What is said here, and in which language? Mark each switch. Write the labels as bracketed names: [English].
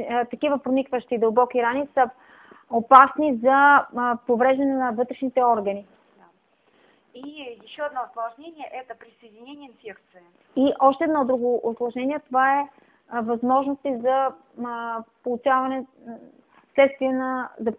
[Bulgarian] Такива проникващи дълбоки рани са опасни за повреждане на вътрешните органи. Да. [Russian] И еще одно осложнение – это присоединение инфекции. [Bulgarian] И още едно друго осложнение – това е възможности за получаване следствие на...